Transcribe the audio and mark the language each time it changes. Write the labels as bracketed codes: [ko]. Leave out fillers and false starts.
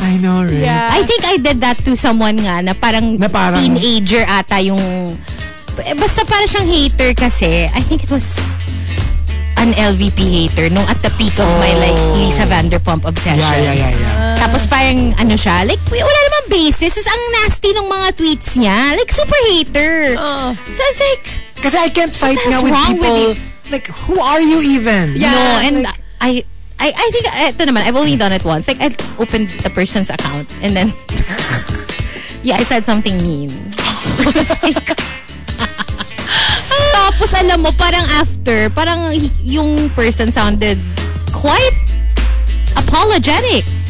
[en] I know, right? Yeah. I think I did that to someone [tl] nga na parang teenager ata yung... Basta parang siyang hater kasi. [en] I think it was an LVP hater nung at the peak of my like Lisa Vanderpump obsession. Yeah. [tl] Tapos parang ano siya, like wala namang basis. It's ang nasty nung mga tweets niya. [en] Like super hater. So it's like... Kasi I can't fight nga with people... With like, who are you even? Yeah. No, and like, I think, ito naman, I've only done it once. Like, I opened the person's account and then, I said something mean. [tl] Tapos, alam mo, parang after, parang yung person [en] sounded quite apologetic.